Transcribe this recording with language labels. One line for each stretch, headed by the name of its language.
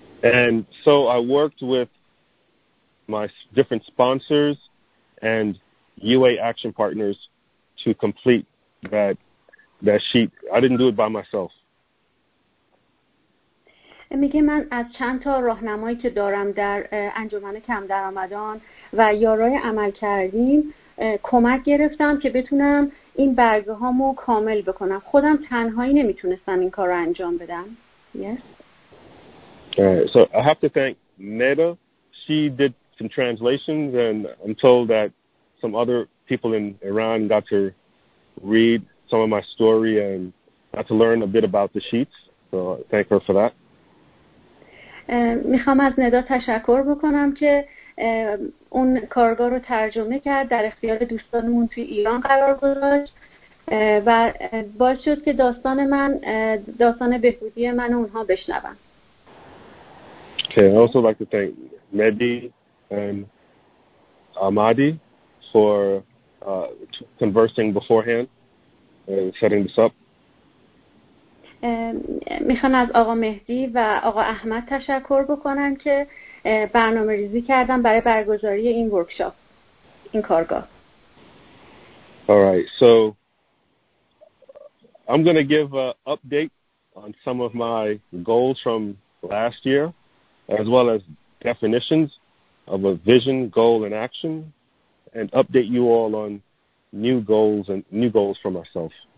English: And so I worked with my different sponsors and UA Action Partners to complete that sheet. I didn't do it by myself.
Persian: میگه من از چند تا راهنمایی که دارم در انجمن کم درآمدان و یارای عمل کردیم کمک گرفتم که بتونم این برگه هامو کامل بکنم. خودم تنهایی نمیتونستم این کار رو انجام بدم.
English: Yes. So I have to thank Neda. She did some translations and I'm told that some other people in Iran got to read some of my story and got to learn a bit about the sheets. So I thank her for that.
Persian: میخوام از ندا تشکر بکنم که اون کارگاه رو ترجمه کرد، در اختیار دوستانمون توی ایران قرار گذاشت و باعث شد که داستان من، داستان بهبودی من اونها بشنون.
English: Okay, I also like to thank Mehdi and Ahmadi for conversing beforehand and setting this up.
Persian: میخوام از آقا مهدی و آقا احمد تشکر بکنم که برنامه ریزی کردن برای برگزاری این ورکشاپ، این کارگاه.
English: Alright, so I'm going to give an update on some of my goals from last year, as well as definitions of a vision, goal, and action, and update you all on new goals for myself.